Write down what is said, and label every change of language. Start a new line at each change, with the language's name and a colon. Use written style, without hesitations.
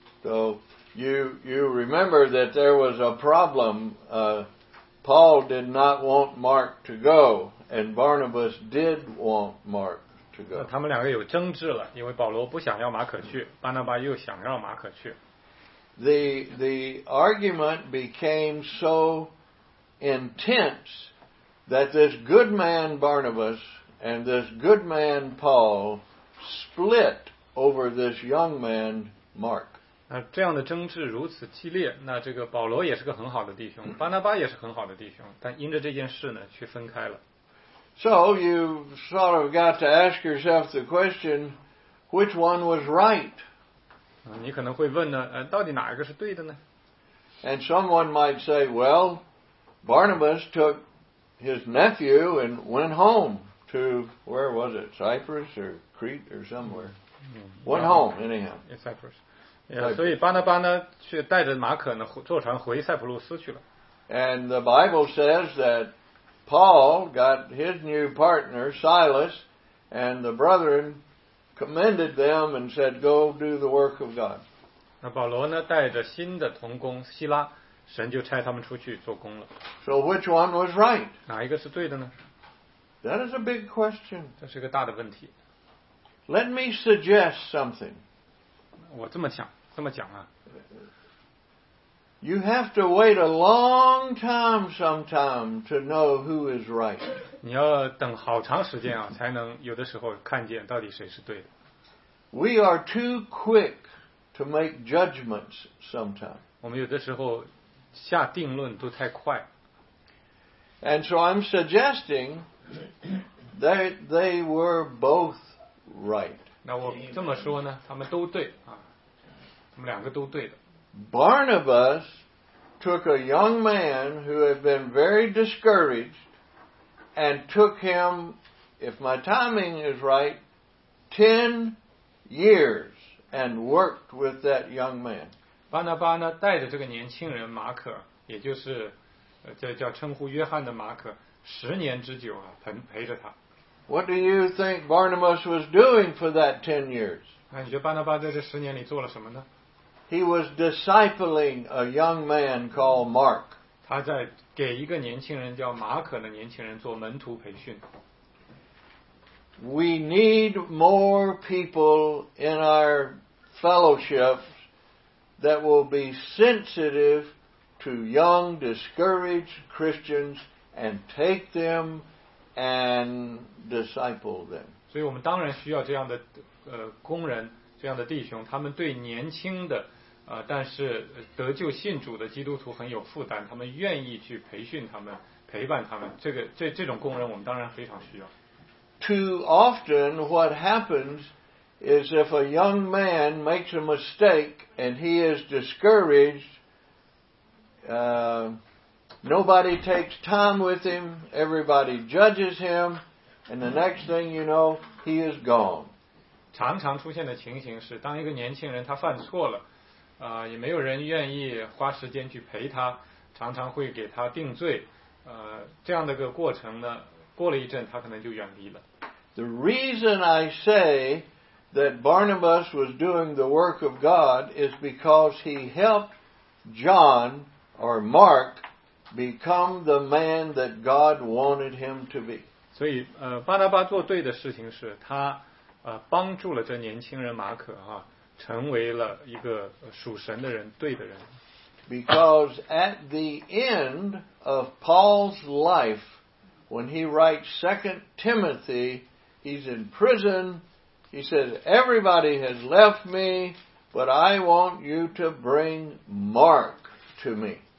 English: So you remember that there was a problem. Paul did not want Mark to go, and Barnabas did want Mark to go.
Chinese: 他们两个有争执了，因为保罗不想要马可去，巴拿巴又想让马可去。
English: The argument became so intense that this good man Barnabas and this good man Paul split over this young man Mark.
Chinese: 那这样的争执如此激烈，那这个保罗也是个很好的弟兄，巴拿巴也是很好的弟兄，但因着这件事呢，却分开了。
English: So you sort of got to ask yourself the question, which one was right?
Chinese: 你可能会问呢，到底哪一个是对的呢？
English: And someone might say, well, Barnabas took his nephew and went home to, where was it, Cyprus or Crete or somewhere. Went home, anyhow. In Cyprus. Yeah, Cyprus.
Chinese: 所以巴拿巴呢去带着马可呢坐船回塞浦路斯去了。
English: And the Bible says that Paul got his new partner, Silas, and the brethren commended them and said, go do the work of God.
Chinese: 那保罗呢带着新的同工希拉，神就差他们出去做工了。
English: So which one was right?
Chinese: 哪一个是对的呢？
English: That is a big question.
Chinese: 这是个大的问题。
English: Let me suggest something.
Chinese: 我这么讲啊。
English: You have to wait a long time sometime to know who is right.
Chinese: 你要等好长时间啊，才能有的时候看见到底谁是对的。
English: We are too quick to make judgments sometime.
Chinese: 我们有的时候下定论都太快。
English: And so I'm suggesting that they were both right.
Chinese: 那我这么说呢，他们都对啊，他们两个都对的。
English: Barnabas took a young man who had been very discouraged and took him, if my timing is right, 10 years and worked with that young man.
Chinese: 巴拿巴呢带着这个年轻人马可，也就是叫称呼约翰的马可，十年之久啊，陪着他。
English: What do you think Barnabas was doing for that 10 years?
Chinese: 那你觉得巴拿巴在这十年里做了什么呢？
English: He was discipling a young man called Mark.
Chinese: 他在给一个年轻人叫马可的年轻人做门徒培训。
English: We need more people in our fellowship that will be sensitive to young, discouraged Christians and take them and disciple them.
Chinese: 所以我们当然需要这样的工人，这样的弟兄，他们对年轻的但是得救信主的基督徒很有负担，他们愿意去培训他们，陪伴他们。这种工人我们当然非常需要。
English: Too often what happens is if a young man makes a mistake and he is discouraged, nobody takes time with him, everybody judges him, and the next thing you know, he is gone.
Chinese: 常常出现的情形是，当一个年轻人他犯错了，也没有人愿意花时间去陪他，常常会给他定罪，这样的个过程呢，过了一阵他可能就远离了。
English: The reason I say that Barnabas was doing the work of God is because he helped John or Mark become the man that God wanted him to be.
Chinese: 所以巴拿巴做对的事情是他帮助了这年轻人马可哈。成为了一个属神的人，对的人。
English: Because at the end of Paul's life, when he writes 2 Timothy, he's in prison. He says, "Everybody has left me, but I want you to bring Mark to me."